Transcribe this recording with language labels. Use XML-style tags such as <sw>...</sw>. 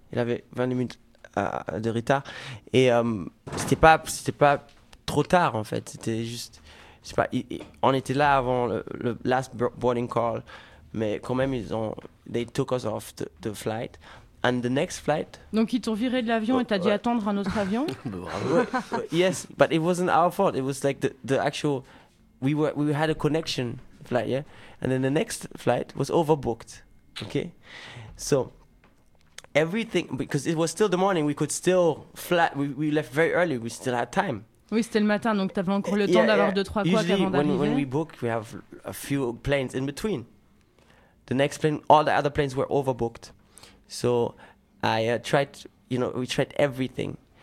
<fr>Il avait 20 minutes de retard. Et c'était pas trop tard, en fait. C'était juste. C'est pas, on était là avant le last boarding call, mais quand même,</fr> <en>they took us off the flight. And the next flight.</en> <fr>Donc ils t'ont viré de l'avion et t'as dû attendre un autre avion.</fr> <en>Yes, but it wasn't our fault. It was like the actual, we had a connection flight, yeah. And then the next flight was overbooked. Okay, so everything, because it was still the morning, we could still fly. We left very early. We still had time.</en> <fr>Oui, c'était le matin, donc t'avais encore le temps d'avoir deux trois quoi avant d'arriver.</fr> <en>When we book, we have a few planes in between. The next plane, all the other planes were overbooked. So I tried, you know, we tried everything.</en>